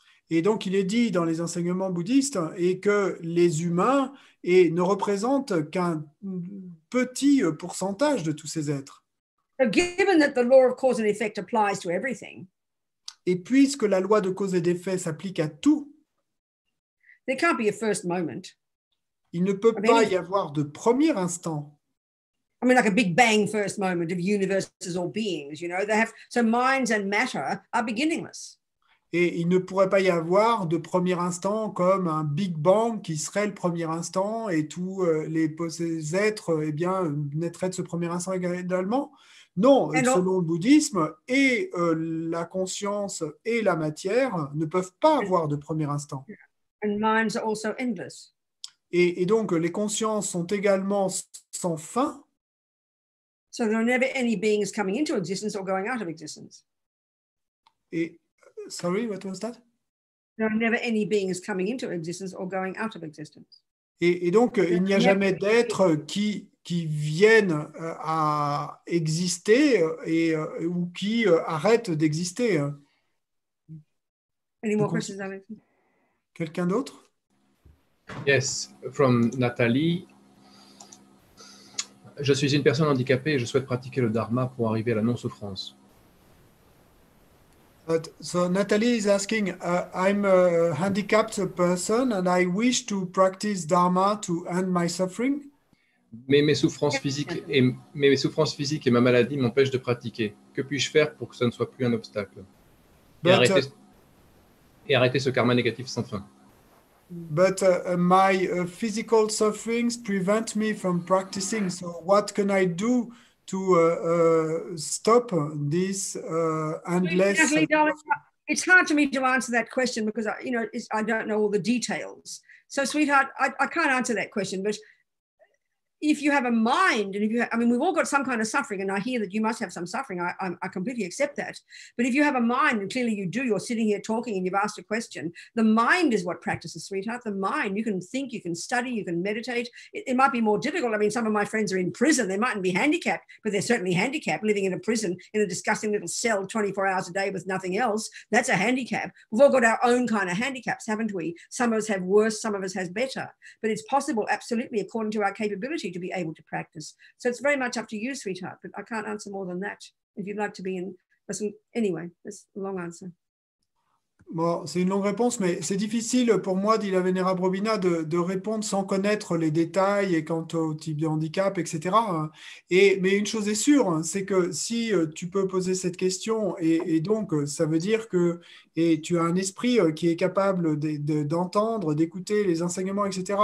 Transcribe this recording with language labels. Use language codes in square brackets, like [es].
[fr] Et donc, il est dit dans les enseignements bouddhistes et que les humains et ne représentent qu'un petit pourcentage de tous ces êtres. [en] Given that the law of cause and effect applies to everything, [fr] et puisque la loi de cause et d'effet s'applique à tout, [en] there can't be a first moment. [fr] Il ne peut pas y avoir de premier instant. [en] I mean, like a big bang first moment of universes or beings, you know, they have so minds and matter are beginningless. [fr] Et il ne pourrait pas y avoir de premier instant comme un big bang qui serait le premier instant et tous les êtres, eh bien, naîtraient de ce premier instant également. Non, selon le bouddhisme, et la conscience et la matière ne peuvent pas avoir de premier instant. [en] And minds are also endless. [fr] Et donc, les consciences sont également sans fin. [en] So there are never any beings coming into existence or going out of existence. Et, sorry, what was that? There are never any beings coming into existence or going out of existence. [fr] Et donc, il n'y a jamais d'être qui viennent à exister et ou qui arrêtent d'exister. [en] Any more questions, Alex? [fr] Quelqu'un d'autre? [en] Yes, from Nathalie. [fr] Je suis une personne handicapée et je souhaite pratiquer le dharma pour arriver à la non-souffrance. [en] But so Natalie is asking, I'm a handicapped person and I wish to practice Dharma to end my suffering. [fr] Mais mes souffrances physiques et ma maladie m'empêchent de pratiquer. Que puis-je faire pour que ça ne soit plus un obstacle? Et arrêter ce karma négatif sans fin. [en] But my physical sufferings prevent me from practicing. So what can I do to stop this endless... Natalie, darling, it's hard for me to answer that question because I don't know all the details. So, sweetheart, I can't answer that question, but if you have a mind, and we've all got some kind of suffering, and I hear that you must have some suffering, I completely accept that. But if you have a mind, and clearly you do, you're sitting here talking and you've asked a question, the mind is what practices, sweetheart, the mind. You can think, you can study, you can meditate. It might be more difficult. I mean, some of my friends are in prison. They mightn't be handicapped, but they're certainly handicapped living in a prison in a disgusting little cell 24 hours a day with nothing else. That's a handicap. We've all got our own kind of handicaps, haven't we? Some of us have worse, some of us has better. But it's possible, absolutely, according to our capability, to be able to practice. So it's very much up to you, sweetheart, but I can't answer more than that. If you'd like to be in, listen, anyway, that's a long answer. [fr] Bon, c'est une longue réponse, mais c'est difficile pour moi, dit la Vénérable Robina, de répondre sans connaître les détails et quant au type de handicap, etc. Mais une chose est sûre, c'est que si tu peux poser cette question, et donc ça veut dire que et tu as un esprit qui est capable d'entendre, d'écouter les enseignements, etc.